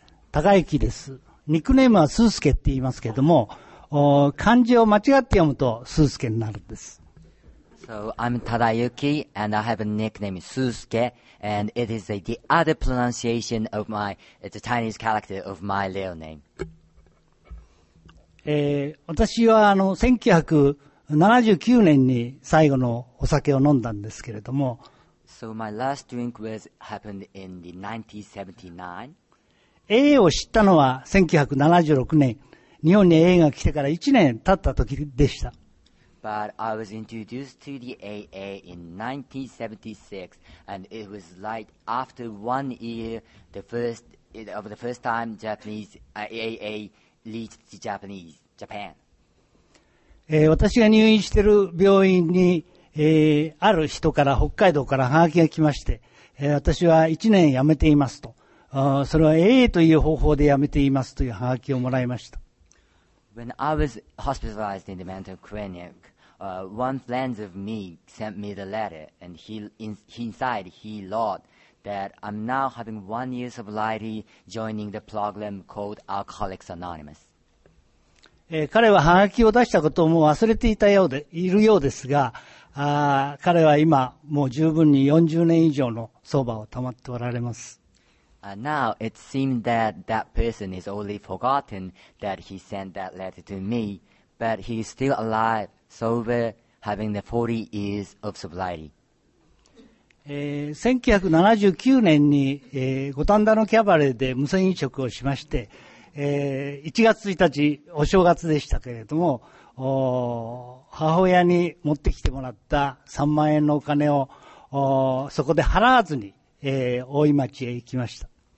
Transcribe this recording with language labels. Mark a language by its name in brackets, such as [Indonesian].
[Japanese] 高行です。ニックネームはスースケって言いますけれども、漢字を間違って読むとスースケになるんです。 [English] So, I'm Tadayuki and I have a nickname Susuke and it is the other pronunciation of my, it's a Chinese character of my real name. [Japanese] 私は1979年に最後のお酒を飲んだんですけれども、 [English] So, my last drink was happened in the 1979. [Japanese] A を知ったのは1976年、日本に A が来てから1年経った時でした。 [English] But I was introduced to the AA in 1976, and it was like after one year, the first time Japanese AA reached Japan. [Japanese] 私が入院している病院に、ある人から北海道からハガキが来まして、私は1年辞めていますと。それは AA という方法でやめていますというハガキをもらいました。 [English] When I was hospitalized in the mental clinic, one friend of me sent me the letter, and inside he wrote that I'm now having one year sobriety joining the program called Alcoholics Anonymous. [Japanese] 彼はハガキを出したことをもう忘れていたようで、いるようですが、彼は今、もう十分に40年以上の相場を保っておられます。 [English] Now it seems that that person is only forgotten that he sent that letter to me, but he is still alive, sober, having the 40 years of sobriety. [Japanese] 1979年に、五反田のキャバレーで無銭飲食をしまして、1月1日お正月でしたけれども、母親に持ってきてもらった3万円のお金をそこで払わずに、大井町へ行きました。